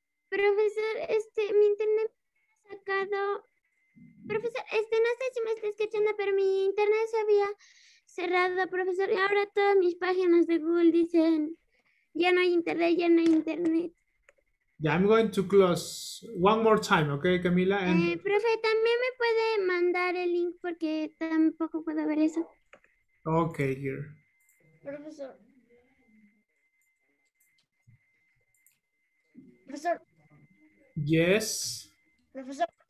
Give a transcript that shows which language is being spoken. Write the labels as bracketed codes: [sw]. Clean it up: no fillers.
[es] Profesor, mi internet me había sacado. Profesor, no sé si me está escuchando, pero mi internet se había cerrado, profesor, y ahora todas mis páginas de Google dicen ya no hay internet, ya no hay internet. [en] Yeah, I'm going to close one more time, okay, Camila? And... [es] profe, también me puede mandar el link porque tampoco puedo ver eso. [en] Okay, here. [es] Profesor. Profesor. [en] Yes. [es] Profesor.